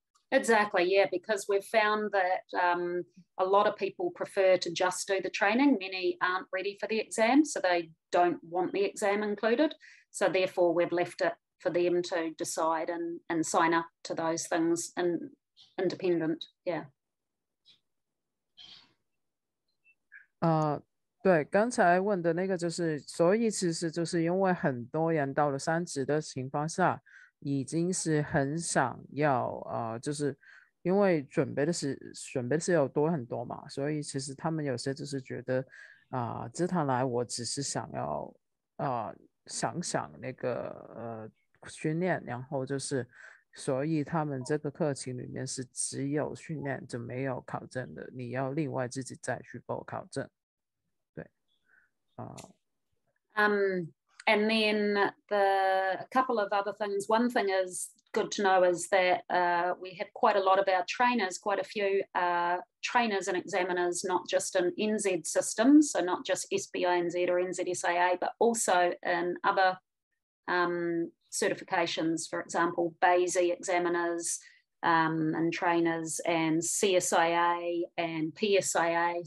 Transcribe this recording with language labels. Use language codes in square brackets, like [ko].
[en] Exactly, yeah, because we've found that a lot of people prefer to just do the training. Many aren't ready for the exam, so they don't want the exam included. So therefore, we've left it for them to decide and sign up to those things and independent, yeah. [zh] 对，刚才问的那个就是，所以其实就是因为很多人到了三级的情况下已经是很想要就是因为准备的是有多很多嘛，所以其实他们有些就是觉得这趟来我只是想要想想那个训练，然后就是所以他们这个课程里面是只有训练就没有考证的，你要另外自己再去报考证。对 [en] And then the a couple of other things. One thing is good to know is that we have quite a lot of our trainers, quite a few trainers and examiners, not just in NZ systems, so not just SBINZ or NZSIA, but also in other certifications, for example, BASI examiners and trainers and CSIA and PSIA.